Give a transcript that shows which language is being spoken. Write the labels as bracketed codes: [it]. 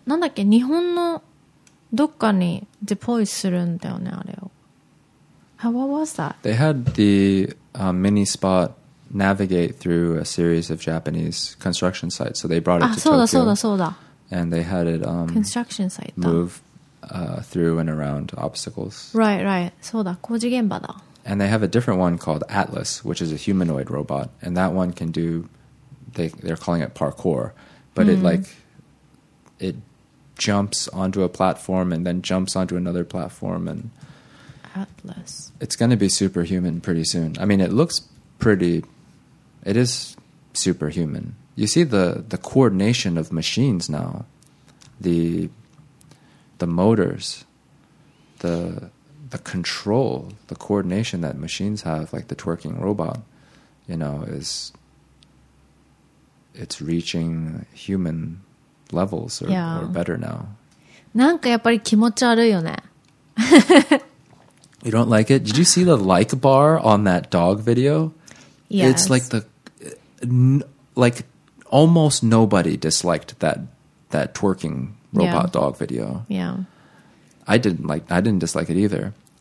[ja] なんだっけ、日本のどっかにデプロイするんだよねあれを。 [en] What was that? They had the mini spot navigate through a series of Japanese construction sites. So they brought it to Tokyo. [ja] そうだ。 [en] And they had it construction site move through and around obstacles. Right. [ja] そうだ。工事現場だ。 [en] And they have a different one called Atlas, which is a humanoid robot. And that one can do, they're calling it parkour. But it jumps onto a platform and then jumps onto another platform and... Atlas. It's going to be superhuman pretty soon. I mean, it looks pretty... It is superhuman. You see the coordination of machines now. The motors. The control. The coordination that machines have, like the twerking robot, you know, is... It's reaching human levels or better now. [ja] なんかやっぱり気持ち悪いよね。 [en] You don't like it? Did you see the like bar on that dog video? Yes. It's like like almost nobody disliked that twerking robot dog video. Yeah. I didn't dislike it either.